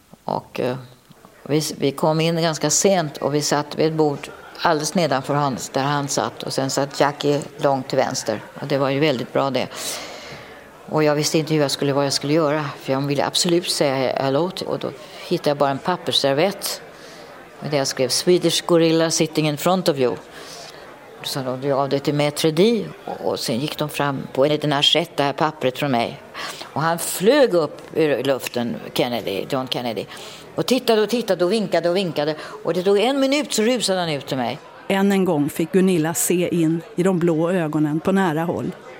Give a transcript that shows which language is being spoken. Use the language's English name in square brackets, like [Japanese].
[Swedish] Och vi kom in ganska sent och vi satt vid ett bord alldeles nedanför hans, där han satt. Och sen satt Jackie långt till vänster. Och det var ju väldigt bra det. Och jag visste inte vad jag skulle göra. För jag ville absolut säga hello. Och då hittade jag bara en pappersservett. Men jag skrev [English] Swedish gorilla sitting in front of you. [Swedish] Så då gav det till Maitre D. Och sen gick de fram på en liten assiett, det här pappret från mig. Och han flög upp ur luften, Kennedy, John Kennedy. Och tittade och tittade och vinkade och vinkade. Och det tog en minut så rusade han ut till mig. Än en gång fick Gunilla se in i de blå ögonen på nära håll.